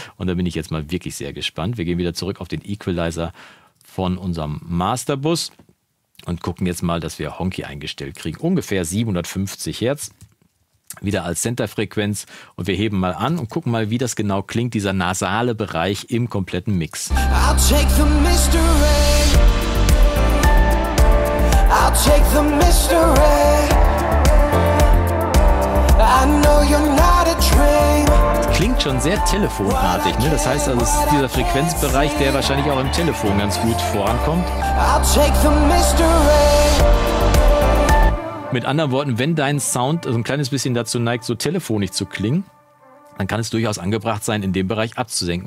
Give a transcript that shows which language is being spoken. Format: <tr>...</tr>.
<de>Und da bin ich jetzt mal wirklich sehr gespannt. Wir gehen wieder zurück auf den Equalizer von unserem Masterbus und gucken jetzt mal, dass wir Honky eingestellt kriegen. Ungefähr 750 Hertz. Wieder als Centerfrequenz, und wir heben mal an und gucken mal, wie das genau klingt, dieser nasale Bereich im kompletten Mix.</de> <en>I'll take the mystery. I'll take the mystery. I know you're not a dream.</en> <de>Klingt schon sehr telefonartig, ne? Das heißt also, es ist dieser Frequenzbereich, der wahrscheinlich auch im Telefon ganz gut vorankommt.</de> <en>I'll take the mystery.</en> <de>Mit anderen Worten, wenn dein Sound so ein kleines bisschen dazu neigt, so telefonisch zu klingen, dann kann es durchaus angebracht sein, in dem Bereich abzusenken.</de>